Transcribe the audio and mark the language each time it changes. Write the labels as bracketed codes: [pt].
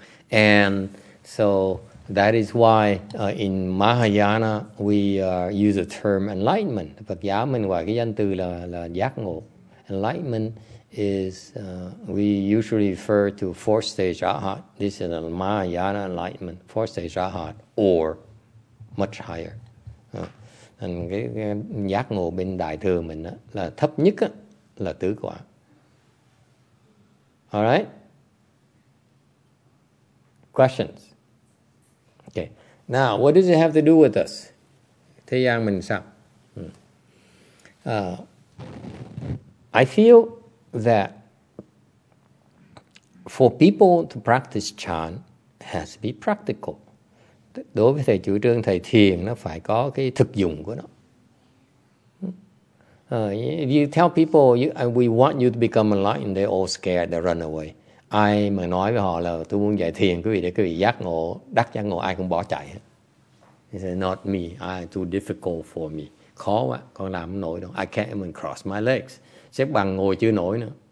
[en] And so that is why in Mahayana we use the term enlightenment. [vi] Phật giáo mình gọi cái danh từ là giác ngộ. [en] Enlightenment is we usually refer to four stage arhat. This is a Mahayana enlightenment, four stage arhat or much higher. [vi] Cái giác ngộ bên đại thừa mình đó, là thấp nhất đó, là tứ quả. [en] All right. Questions. Okay. Now, what does it have to do with us? [vi] Thế gian mình sao? [en] I feel that for people to practice chan has to be practical. [vi] Đối với thầy chủ trương thầy thiền nó phải có cái thực dụng của nó. [en] If you tell people, we want you to become enlightened, they're all scared, they run away. [vi] Ai mà nói với họ là tôi muốn dạy thiền quý vị để quý vị giác ngộ, đắc giác ngộ, ai cũng bỏ chạy. [en] He said, not me, too difficult for me. [vi] Khó quá, con làm không nổi đâu. [en] I can't even cross my legs. [vi] Xếp bằng ngồi chưa nổi nữa.